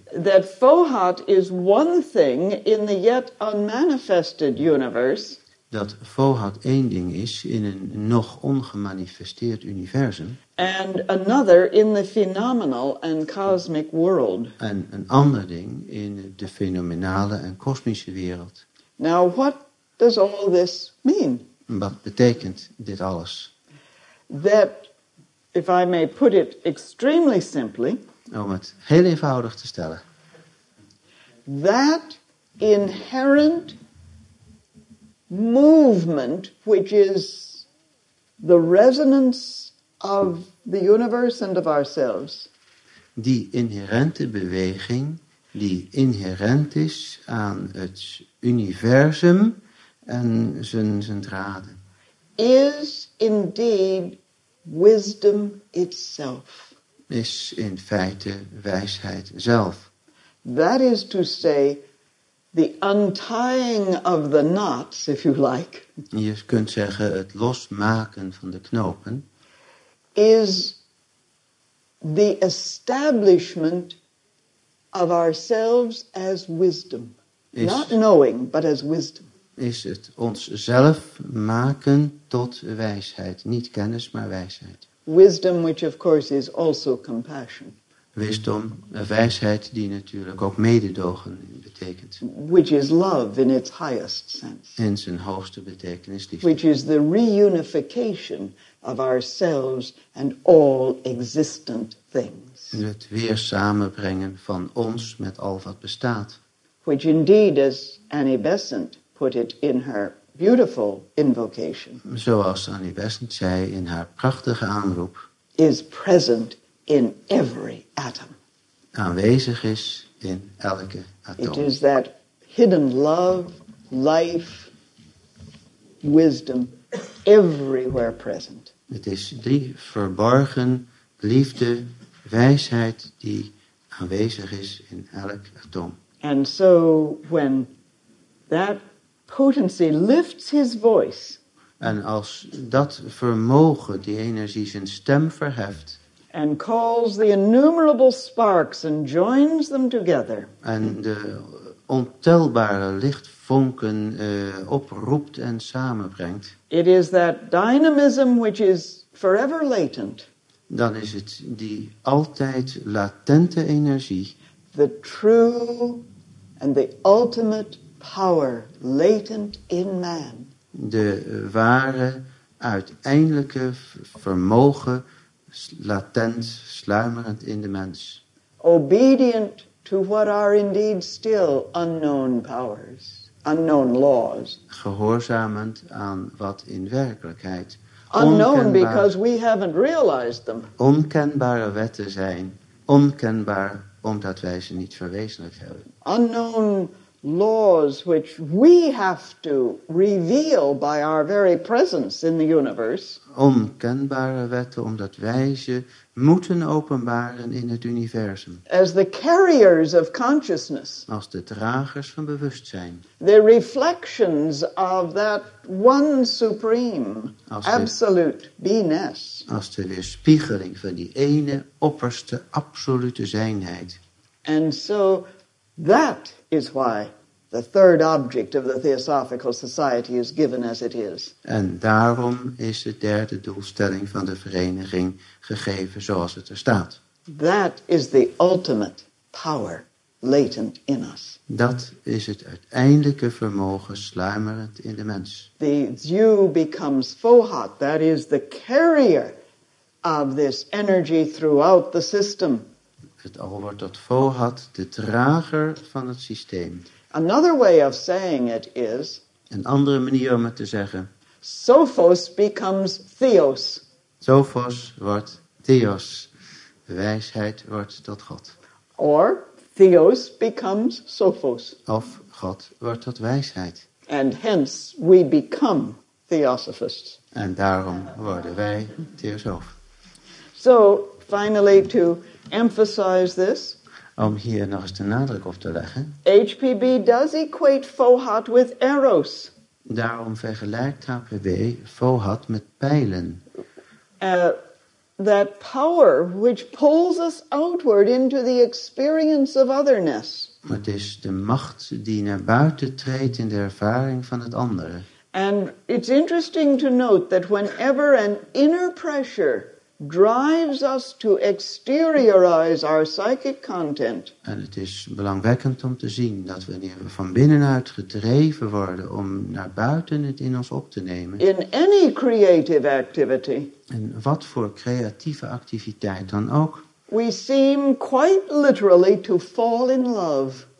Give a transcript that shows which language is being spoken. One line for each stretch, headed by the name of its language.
English: That fohat is one thing in the yet unmanifested universe.
Dutch: Dat fohat één ding is in een nog ongemanifesteerd universum.
English: And another in the phenomenal and cosmic world.
Dutch: En een ander ding in de fenomenale en kosmische wereld.
English: Now, what does all this mean?
Dutch: Wat betekent dit alles?
English: That, if I may put it extremely simply.
Dutch: Om het heel eenvoudig te stellen.
English: That inherent movement, which is the resonance of the universe and of ourselves.
Dutch: Die inherente beweging, die inherent is aan het universum. En zijn draden.
English: Is indeed wisdom itself.
Dutch: Is in feite wijsheid zelf.
English: That is to say, the untying of the knots, if you like.
Dutch: Je kunt zeggen het losmaken van de knopen.
English: Is the establishment of ourselves as wisdom. Is not knowing, but as wisdom.
Dutch: Is het onszelf maken tot wijsheid. Niet kennis, maar wijsheid.
English: Wisdom, which of course is also compassion.
Dutch: Wisdom, wijsheid die natuurlijk ook mededogen betekent.
English: Which is love in its highest sense.
Dutch: In zijn hoogste betekenis. Liefde.
English: Which is the reunification of ourselves and all existent things.
Dutch: Het weer samenbrengen van ons met al wat bestaat.
English: Which indeed is Annie Besant. Put it in her beautiful invocation.
Dutch: Zoals Annie Besant zei in haar prachtige aanroep.
English: Is present in every atom.
Dutch: Aanwezig is in elke atoom.
English: It is that hidden love, life, wisdom, everywhere present.
Dutch: Het is die verborgen liefde, wijsheid die aanwezig is in elk atoom.
English: And so when that potency lifts his voice.
Dutch: En als dat vermogen, die energie, zijn stem verheft.
English: And calls the innumerable sparks and joins them together.
Dutch: En de ontelbare lichtvonken oproept en samenbrengt.
English: It is that dynamism which is forever latent.
Dutch: Dan is het die altijd latente energie.
English: The true and the ultimate power latent in man.
Dutch: De ware uiteindelijke vermogen latent sluimerend in de mens.
English: Obedient to what are indeed still unknown powers, unknown laws.
Dutch: Gehoorzamend aan wat in werkelijkheid
English: unknown because we haven't realized them.
Dutch: Onkenbare wetten zijn onkenbaar omdat wij ze niet verwezenlijk hebben.
English: Unknown laws which we have to reveal by our very presence in the universe.
Dutch: Onkenbare wetten omdat wij ze moeten openbaren in het universum.
English: As the carriers of consciousness.
Dutch: Als de dragers van bewustzijn.
English: The reflections of that one supreme absolute beingness.
Dutch: Als de weerspiegeling van die ene opperste absolute zijnheid.
English: And so that is why the third object of the Theosophical Society is given as it is.
Dutch: En daarom is de derde doelstelling van de vereniging gegeven zoals het er staat.
English: That is the ultimate power latent in us.
Dutch: Dat is het uiteindelijke vermogen sluimerend in de mens.
English: The zu becomes fohat, that is the carrier of this energy throughout the system.
Dutch: Het al wordt tot fohat, de drager van het systeem.
English: Another way of saying it is.
Dutch: Een andere manier om het te zeggen.
English: Sophos becomes Theos.
Dutch: Sophos wordt Theos. Wijsheid wordt tot God.
English: Or Theos becomes Sophos.
Dutch: Of God wordt tot wijsheid.
English: And hence we become Theosophists.
Dutch: En daarom worden wij Theosoof.
English: So finally to emphasize this.
Dutch: Om hier nog eens de nadruk op te leggen.
English: HPB does equate fohat with eros.
Dutch: Daarom vergelijkt HPB fohat met pijlen.
English: That power which pulls us outward into the experience of otherness.
Dutch: Het is de macht die naar buiten treedt in de ervaring van het andere.
English: And it's interesting to note that whenever an inner pressure drives us to exteriorize our psychic content.
Dutch: En het is belangwekkend om te zien dat wanneer we van binnenuit gedreven worden om naar buiten het in ons op te nemen.
English: In any creative activity.
Dutch: En wat voor creatieve activiteit dan ook.
English: We seem quite literally to fall in love.